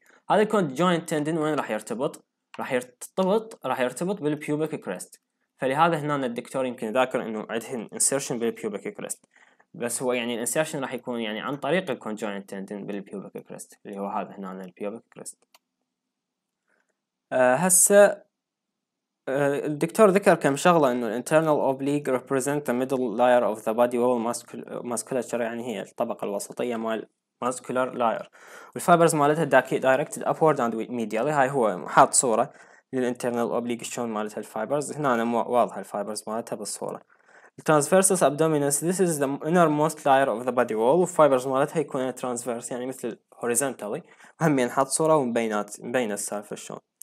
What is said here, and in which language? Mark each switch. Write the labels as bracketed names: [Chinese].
[Arabic] هذا الكونجوينت تندن وين راح يرتبط؟ راح يرتبط بالبيوبيك كريست. فلهذا هنا الدكتور يمكن ذاكر انه عندهم انسيرشن بالبيوبيك كريست، بس هو يعني الانسيرشن راح يكون يعني عن طريق الكونجوينت تندن بالبيوبيك كريست اللي هو هذا هنا البيوبيك كريست. هسه الدكتور ذكر كم شغلة إنه [English] internal oblique represent the middle layer of the body wall musculature [Arabic] يعني هي الطبقة الوسطية مال [English] muscular layer [Arabic] والفايبرز مالتها [English] directed upward and medially. [Arabic] هاي هو حاط صورة للinternal oblique شلون مالتها الفايبرز هنا أنا واضح الفايبرز مالتها بالصورة. [English] transversus abdominis this is the innermost layer of the body wall [Arabic] والفايبرز مالتها يكون [English] transverse [Arabic] يعني مثل [English] horizontally [Arabic] هم ينحط صورة ومبينات مبين السالفة شلون.